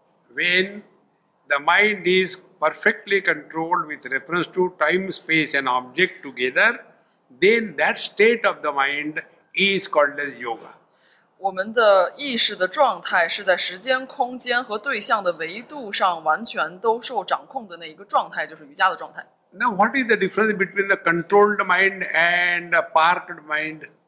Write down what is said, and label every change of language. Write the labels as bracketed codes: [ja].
[en] When the mind is perfectly controlled with reference to time, space and object together, then that state of the mind is called as yoga. [zh] 我们的意识的状态是在时间、空间和对象的维度上完全都受掌控的那一个状态，就是瑜伽的状态。 [en] Now, what is the difference between the controlled mind and a parked mind?